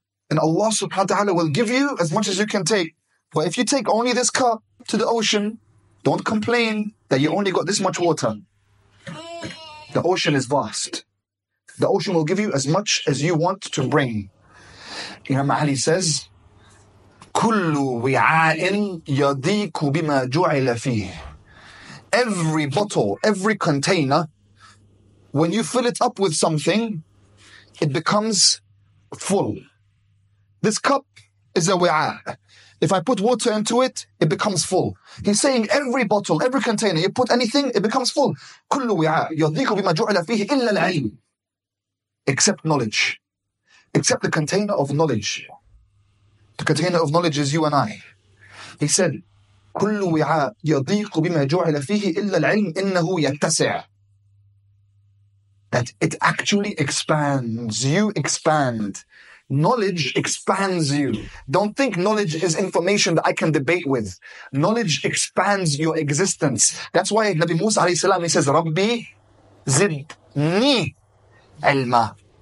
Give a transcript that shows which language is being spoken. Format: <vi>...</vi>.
<en>And Allah subhanahu wa ta'ala will give you as much as you can take. But if you take only this cup to the ocean, don't complain that you only got this much water. The ocean is vast. The ocean will give you as much as you want to bring. Imam Ali says,</en> <ar>كُلُّ وِعَاءٍ يَضِيكُ بِمَا جُعِلَ فِيهِ.</ar> <en>Every bottle, every container, when you fill it up with something, it becomes full. This cup is a wi'a. If I put water into it, it becomes full. He's saying every bottle, every container, you put anything, it becomes full.</en> <ar>كُلُّ وِعَاء يَضِيكُ بِمَا جُعِلَ فِيهِ إِلَّا الْعِلْمِ.</ar> <en>Except knowledge. Except the container of knowledge. The container of knowledge is you and I. He said,</en> <ar>كُلُّ وِعَاء يَضِيقُ بِمَا جُعِلَ فِيهِ إِلَّا الْعِلْمِ إِنَّهُ يَتَّسِعُ.</ar> <en>That it actually expands. You expand. Knowledge expands you. Don't think knowledge is information that I can debate with. Knowledge expands your existence. That's why Nabi Musa alayhi salam, he says,</en> <ar>رَبِّي زِدْنِي عِلْمًا.</ar>